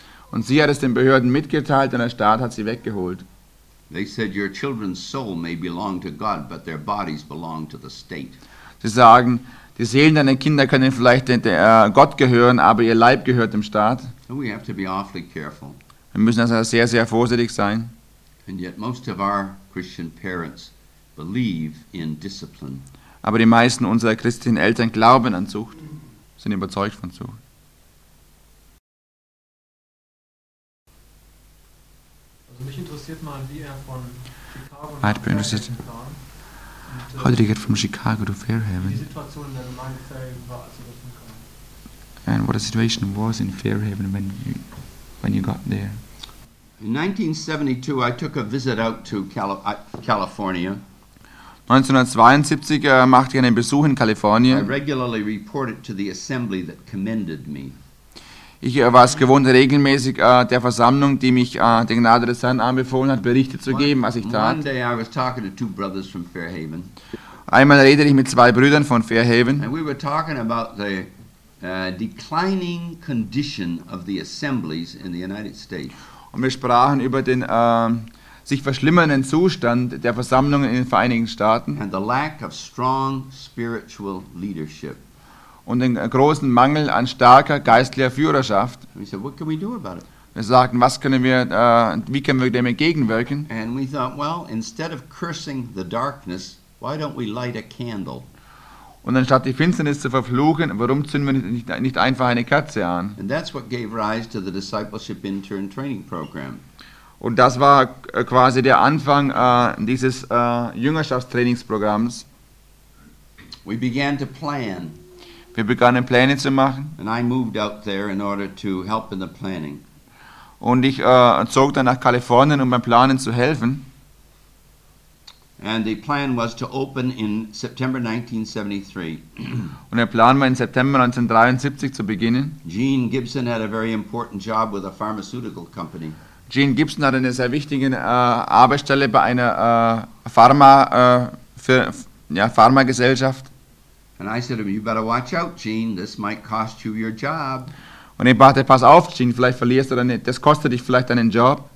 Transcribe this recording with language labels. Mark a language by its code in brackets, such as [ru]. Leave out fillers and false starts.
[de] Und sie hat es den Behörden mitgeteilt und der Staat hat sie weggeholt. Sie sagen, die Seelen deiner Kinder können vielleicht Gott gehören, aber ihr Leib gehört dem Staat. [en] We have to be awfully careful. [de] Wir müssen also sehr, sehr vorsichtig sein. [en] And yet most of our Christian parents believe in discipline. [de] Aber die meisten unserer christlichen Eltern glauben an Zucht, sind überzeugt von Zucht. Also mich interessiert mal, wie er von Chicago [en] I'd be interested. Und, how did he get from Chicago to Fairhaven? [de] Die Situation in der Gemeinde Fairhaven war, als er das kam. [en] And what the situation was in Fairhaven when you got there? In 1972, I took a visit out to California. [de] 1972 machte ich einen Besuch in Kalifornien. [en] I regularly reported to the assembly that commended me. [de] Ich war es gewohnt, regelmäßig der Versammlung, die mich der Gnade des Herrn anbefohlen hat, Berichte zu geben, was ich tat. [en] One day I was talking to two brothers from Fairhaven. [de] Einmal redete ich mit zwei Brüdern von Fairhaven. [en] And we were talking about the declining condition of the assemblies in the United States. [de] Und wir sprachen über den sich verschlimmernden Zustand der Versammlungen in den Vereinigten Staaten [en] and the lack of strong spiritual leadership. [de] Und den großen Mangel an starker geistlicher Führerschaft. [en] We said, what can we do about it? [de] Wir sagten, wie können wir dem entgegenwirken? [en] And we thought, well, instead of cursing the darkness, why don't we light a candle? [de] Und anstatt die Finsternis zu verfluchen, warum zünden wir nicht einfach eine Kerze an? [en] And that's what gave rise to the discipleship intern training program. [de] Und das war quasi der Anfang dieses Jüngerschaftstrainingsprogramms. [en] We began to plan. [de] Wir begannen Pläne zu machen. [en] And I moved out there in order to help in the planning. [de] Und ich zog dann nach Kalifornien, um beim Planen zu helfen. [en] And the plan was to open in September 1973. [de] Und der Plan war, in September 1973 zu beginnen. [en] Gene Gibson had a very important job with a pharmaceutical company. [de] Gene Gibson hatte eine sehr wichtige Arbeitsstelle bei einer Pharmagesellschaft. [en] And I said to him, you better watch out, Gene, this might cost you your job. [de] Und ich bat, pass auf, Gene, vielleicht verlierst du deine, das kostet dich vielleicht deinen Job.